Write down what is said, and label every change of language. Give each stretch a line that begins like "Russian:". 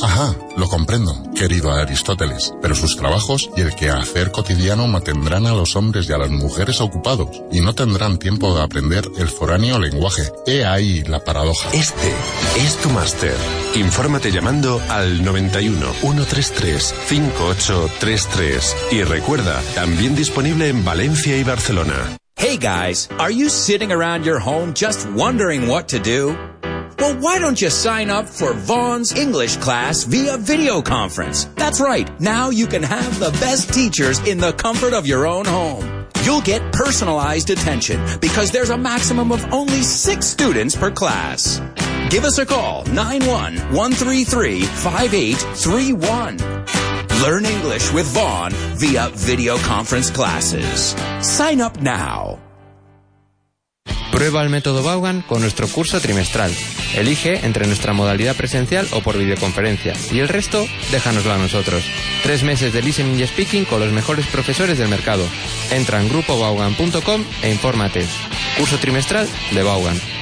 Spanish: Ajá, lo comprendo, querido Aristóteles, pero sus trabajos y el quehacer cotidiano mantendrán a los hombres y a las mujeres ocupados. Y no tendrán tiempo de aprender el foráneo lenguaje. He ahí la paradoja. Este es tu máster. Infórmate llamando al 91-133-5833. Y recuerda, también disponible en Valencia y Barcelona.
English: Hey guys, are you sitting around your home just wondering what to do? Well, why don't you sign up for Vaughan's English class via video conference? That's right, now you can have the best teachers in the comfort of your own home. You'll get personalized attention because there's a maximum of only 6 students per class. Give us a call, 91-133-5831. Learn English with Vaughan via video conference classes. Sign up now.
Spanish: Prueba el método Baugan con nuestro curso trimestral. Elige entre nuestra modalidad presencial o por videoconferencia. Y el resto, déjanoslo a nosotros. 3 meses de listening y speaking con los mejores profesores del mercado. Entra en grupobaugan.com e infórmate. Curso trimestral de Baugan.